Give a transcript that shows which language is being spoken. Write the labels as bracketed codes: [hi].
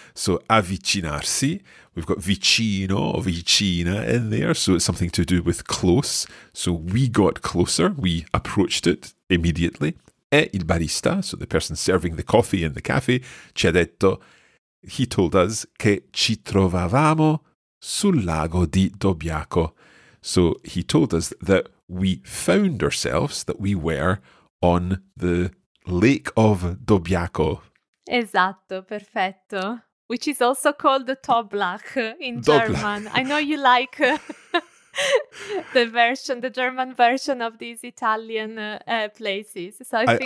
[en] So avvicinarsi, we've got vicino or vicina in there. So it's something to do with close. So we got closer, we approached it immediately. [it] E il barista, [en] so the person serving the coffee in the cafe, [it] ci ha detto, [en] he told us, [it] che ci trovavamo sul lago di Dobbiaco. [en] So he told us that we found ourselves, that we were on the Lake of Dobbiaco. [it] Esatto, perfetto. [en] Which is also called the Toblach in German. I know you like the version, the German version of these Italian places. So I think